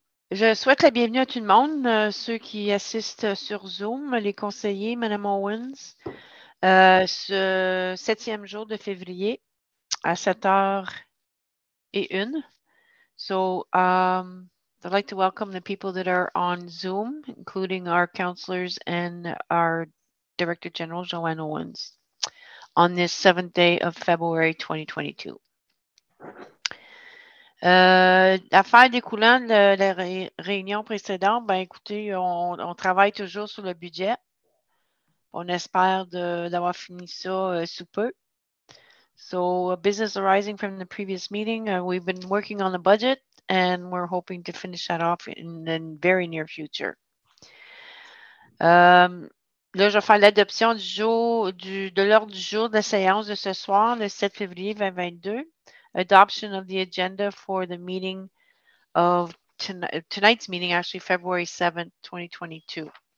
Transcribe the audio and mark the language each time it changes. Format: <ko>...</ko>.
<fr>Je souhaite la bienvenue à tout le monde, ceux qui assistent sur Zoom, les conseillers, Mme Owens, ce septième jour de février à 7h01.</fr> <en>So, I'd like to welcome the people that are on Zoom, including our counselors and our Director General, Joanne Owens, on this seventh day of February 2022.</en> <fr>L'affaire découlant de la réunion précédente, ben écoutez, on travaille toujours sur le budget. On espère d'avoir fini ça sous peu.</fr> <en>So, business arising from the previous meeting, we've been working on the budget and we're hoping to finish that off in the very near future.</en> <fr>Là, je vais faire l'adoption de l'ordre du jour de la séance de ce soir, le 7 février 2022.</fr> <en>Adoption of the agenda for the meeting of tonight's meeting, actually February 7th, 2022.</en>